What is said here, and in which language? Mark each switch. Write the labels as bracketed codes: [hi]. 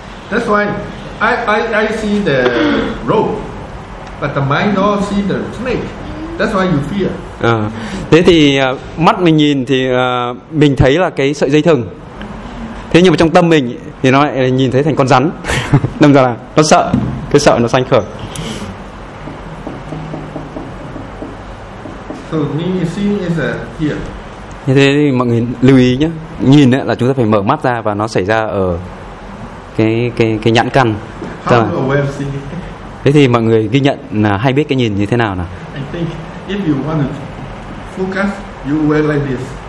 [en] That's why I see the rope, but the mind don't see the snake. That's why you fear. [vi] Thế thì mắt mình nhìn thì mình thấy là cái sợi dây thừng. Thế nhưng mà trong tâm mình thì nó lại nhìn thấy thành con rắn. Đâm ra là nó sợ, cái sợ nó sanh khởi. [en] So, is here. [vi] Thế thì mọi người lưu ý nhé, nhìn là chúng ta phải mở mắt ra và nó xảy ra ở cái nhãn căn. Là... Thế thì mọi người ghi nhận là hay biết cái nhìn như thế nào nào? [en] I think. if you want to focus, you wear like this.